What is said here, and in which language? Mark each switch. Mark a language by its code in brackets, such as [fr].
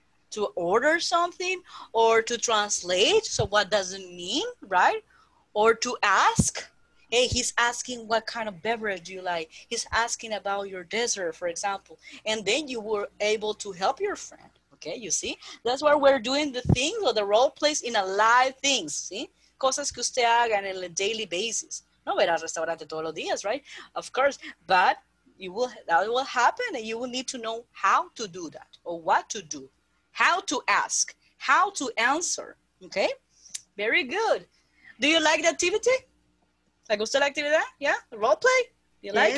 [en] To order something or to translate. So what does it mean, right? Or to ask. Hey, he's asking what kind of beverage you like. He's asking about your dessert, for example. And then you were able to help your friend. Okay, you see? That's why we're doing the things or the role plays in a live thing, see? [es] Cosas que usted haga en el daily basis. No ver al restaurante todos los días, right? [en] Of course, but that will happen and you will need to know how to do that or what to do, how to ask, how to answer, okay? Very good. Do you like the activity? [es] ¿Te gusta la actividad? [en] Yeah, role play. You like